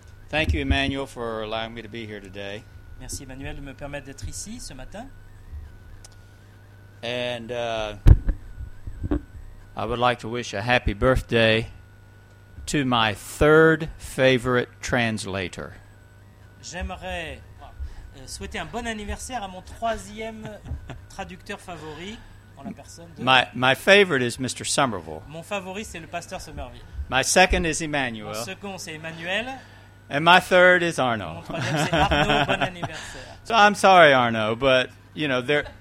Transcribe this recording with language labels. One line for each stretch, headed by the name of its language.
English: Thank you, Emmanuel, for allowing me to be here today.
French: Merci, Emmanuel, de me permettre d'être ici ce matin.
English: And I would like to wish a happy birthday to my third favorite translator.
French: J'aimerais souhaiter un bon anniversaire à mon troisième traducteur favori.
English: My favorite is Mr. Somerville.
French: Mon favori, c'est le pasteur Somerville.
English: My second is Emmanuel.
French: Mon second, c'est Emmanuel.
English: And my third is Arnaud.
French: Mon troisième, c'est Arnaud. Bon anniversaire.
English: So I'm sorry, Arnaud, but, you know, there...